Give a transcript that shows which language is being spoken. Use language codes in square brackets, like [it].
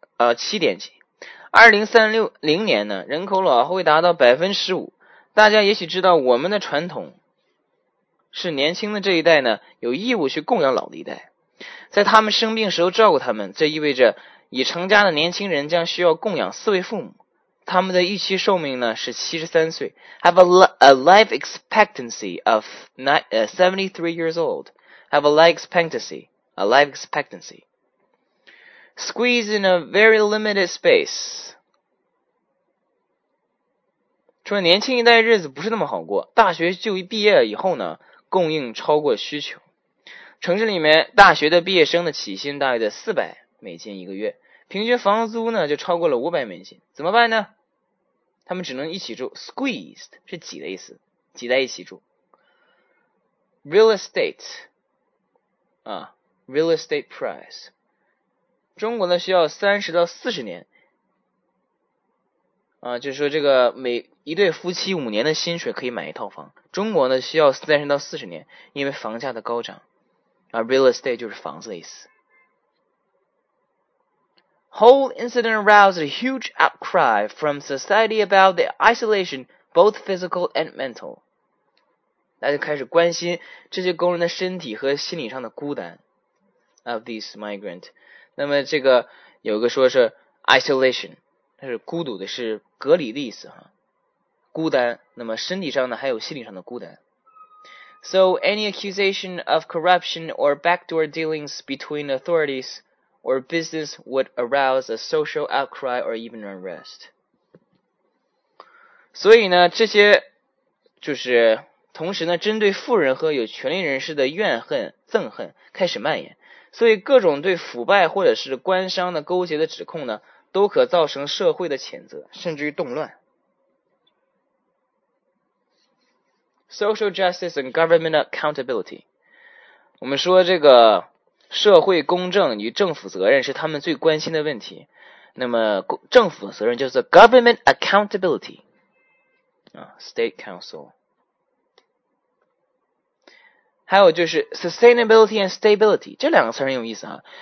[zh] 2030年呢，人口老会达到15%。大家也许知道，我们的传统是年轻的这一代呢，有义务去供养老的一代，在他们生病时候照顾他们。这意味着，已成家的年轻人将需要供养4位父母。他们的预期寿命呢是73岁 [en] ，have a life expectancy of 73 years old. Have a life expectancy, a life expectancy. Squeeze in a very limited space. [zh] 说年轻一代日子不是那么好过，大学就毕业以后呢，供应超过需求。城市里面大学的毕业生的起薪大约在$400一个月，平均房租呢就超过了$500，怎么办呢？他们只能一起住 ，squeezed 是挤的意思，挤在一起住。 Real estate， 啊 ，real estate price， 中国呢需要30到40年，啊，就是说这个每一对夫妻5年的薪水可以买一套房，中国呢需要30到40年，因为房价的高涨，啊 ，real estate 就是房子的意思。 [en] Whole incident aroused a huge outcry from society about the isolation, both physical and mental. [zh] 大家开始关心这些工人的身体和心理上的孤单 [en] of these migrants. [zh] 那么这个有个说是 isolation, 它是孤独的，是隔离的意思哈，孤单。那么身体上呢，还有心理上的孤单。 [en] So any accusation of corruption or backdoor dealings between authorities. Or business would arouse a social outcry or even unrest. [zh] 所以呢，这些就是同时呢，针对富人和有权利人士的怨恨、憎恨开始蔓延。所以各种对腐败或者是官商的勾结的指控呢，都可造成社会的谴责，甚至于动乱。 [en] Social justice and government accountability. [zh] 我们说这个社会公正与政府责任是他们最关心的问题。那么政府责任就是 government accountability,、state council。还有就是 [en] sustainability and stability, [zh] 这两个词很有意思啊。